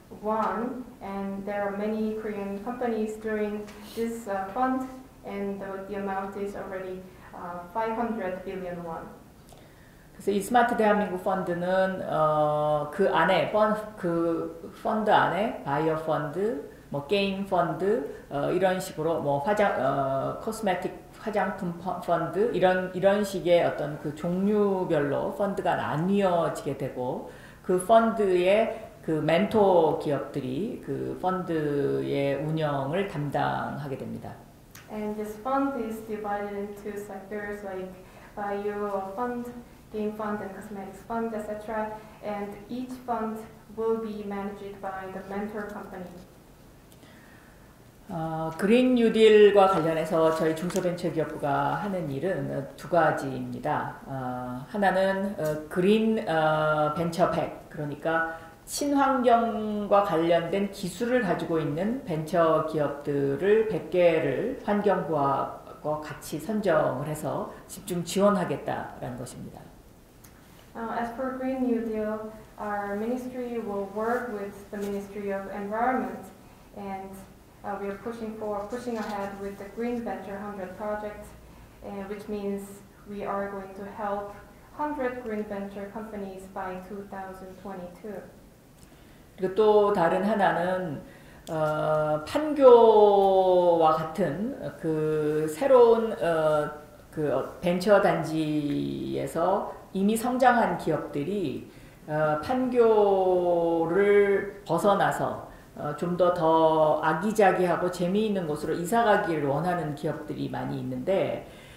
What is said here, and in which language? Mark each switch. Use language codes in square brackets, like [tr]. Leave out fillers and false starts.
[en] One, and there are many Korean companies during this fund, and the amount is already 500 billion won. [ko] 그래서 이 스마트 대한민국 펀드는 그 안에 그 펀드 안에 바이오 펀드, 뭐 게임 펀드 이런 식으로 뭐 화장 코스메틱 화장품 펀드 이런 식의 어떤 그 종류별로 펀드가 나뉘어지게 되고 그 펀드에 그 멘토 기업들이 그 펀드의 운영을 담당하게 됩니다. [en] And this fund is divided into sectors like bio fund, game fund, and cosmetics fund, etc. And each fund will be managed by the mentor company. [ko] 그린 뉴딜과 관련해서 저희 중소벤처기업부가 하는 일은 두 가지입니다. 하나는 그린 벤처백, 그러니까 친환경과 관련된 기술을 가지고 있는 벤처 기업들을 100개를 환경부와 같이 선정을 해서 집중 지원하겠다라는 것입니다. [en] As for Green New Deal, our ministry will work with the Ministry of Environment, and we are pushing ahead with the Green Venture 100 project, which means we are going to help 100 green venture companies by 2022. [ko] 그리고 또 다른 하나는 판교와 같은 그 새로운 그 벤처 단지에서 이미 성장한 기업들이 판교를 벗어나서 좀더더 아기자기하고 재미있는 곳으로 이사 가기를 원하는 기업들이 많이 있는데